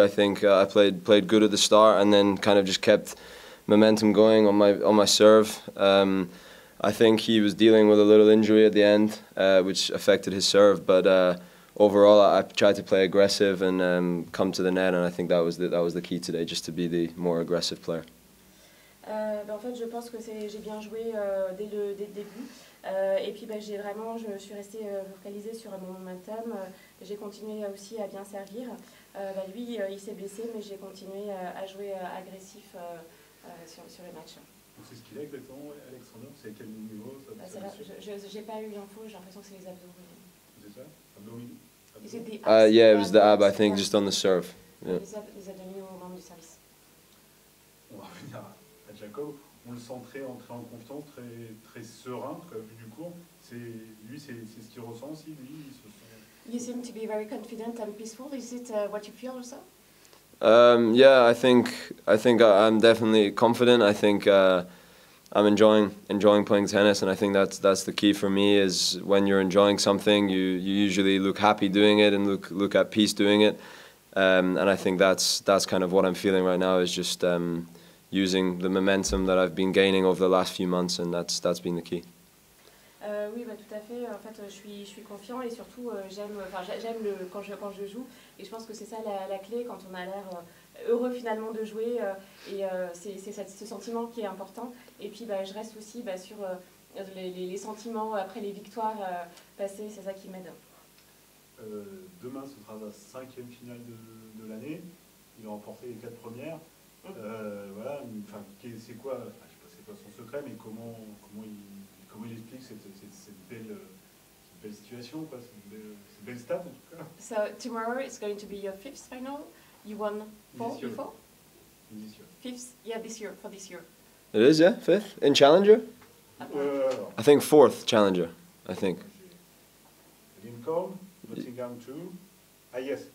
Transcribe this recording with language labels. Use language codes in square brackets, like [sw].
[en] I think I played good at the start and then kind of just kept momentum going on my serve. I think he was dealing with a little injury at the end, which affected his serve. But overall, I tried to play aggressive and come to the net, and I think that was the key today, just to be the more aggressive player. [fr] En fait, je pense que j'ai bien joué dès le début. Et puis, je me suis restée focalisée sur mon momentum. J'ai continué aussi à bien servir. Lui, il s'est blessé, mais j'ai continué à jouer agressif sur les matchs. C'est ce qu'il a exactement, Alexandre. C'est à quel niveau ça, c'est là, j'ai pas eu l'info. J'ai l'impression que c'est les abdos. C'est ça, abdos. [en] Yeah, it was the ab, I think, just on the serve. Yeah. [fr] Les abdominaux au moment du service. On va revenir à Jacob. On le sent très entré en confiance, très très serein vu du cours. C'est lui, c'est ce qu'il ressent aussi. Lui, il se sent. [en] You seem to be very confident and peaceful. Is it what you feel also? Yeah, I think I'm definitely confident. I think I'm enjoying playing tennis, and I think that's the key for me. Is when you're enjoying something, you usually look happy doing it and look at peace doing it. And I think that's kind of what I'm feeling right now, is just using the momentum that I've been gaining over the last few months, and that's been the key. [fr] Oui, tout à fait. En fait, je suis confiant, et surtout j'aime le quand je joue, et je pense que c'est ça la clé quand on a l'air heureux finalement de jouer, et c'est ce sentiment qui est important. Et puis je reste aussi sur les sentiments après les victoires passées, c'est ça qui m'aide. Demain, ce sera la cinquième finale de l'année. Il a remporté les quatre premières. Voilà, c'est quoi, je sais pas, c'est quoi son secret, mais comment il explique cette belle situation, quoi, cette belle stade, en tout cas. [en] So tomorrow is going to be your fifth final. You won four this year. Before. This year. Fifth, yeah, this year, for this year. It is, yeah, fifth in challenger. Okay. I think fourth challenger. I think. Lincoln, Nottingham two. Ah yes.